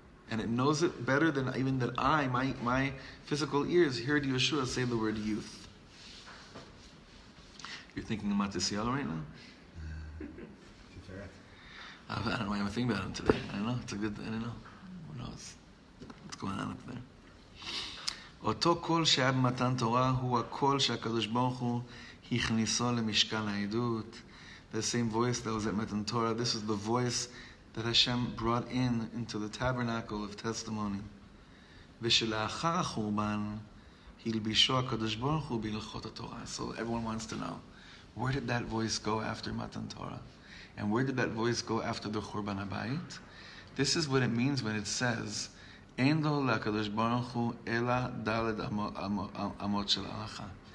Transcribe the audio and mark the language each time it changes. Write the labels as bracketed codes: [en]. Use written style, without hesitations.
[en] And it knows it better than even that I, my physical ears, heard Yeshua say the word youth. You're thinking of Matisyahu right now? I don't know why I'm thinking about him today. I don't know. It's a good thing. I don't know. Who knows? What's going on up there? [he] אותו קול שהיה במתן תורה הוא הקול שהקדוש ברוך הוא הכניסו למשכן העדות. [en] The same voice that was at Matan Torah. This is the voice that Hashem brought in into the tabernacle of testimony. [he] ושלאחר החורבן הלבישו הקדוש ברוך הוא בהלכות התורה. [en] So everyone wants to know, where did that voice go after Matan Torah? And where did that voice go after the Churban HaBayit? This is what it means when it says, [he] אין לו לקדוש ברוך הוא אלא דלת אמות של הלכה.